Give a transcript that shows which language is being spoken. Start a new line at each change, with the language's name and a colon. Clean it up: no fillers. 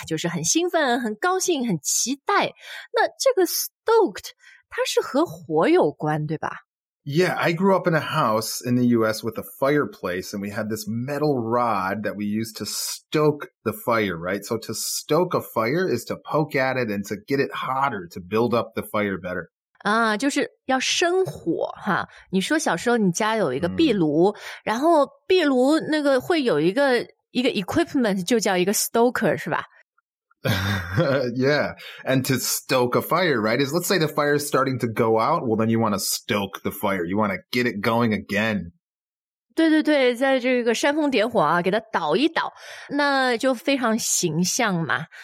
Chinese: 就是很兴奋、很高兴、很期待。那这个 stoked, 它是和火有关，对吧？
English: Yeah, I grew up in a house in the US with a fireplace, and we had this metal rod that we used to stoke the fire, right? So to stoke a fire is to poke at it and to get it hotter, to build up the fire better.
Chinese: 就是要生火哈。你说小时候你家有一个壁炉，然后壁炉那个会有一个 equipment 就叫一个 stoker 是吧？
English: Yeah, and to stoke a fire, right, is let's say the fire is starting to go out, well then you want to stoke the fire, you want to get it going again.
Chinese: 对对对，在这个煽风点火啊，给它倒一倒，那就非常形象嘛。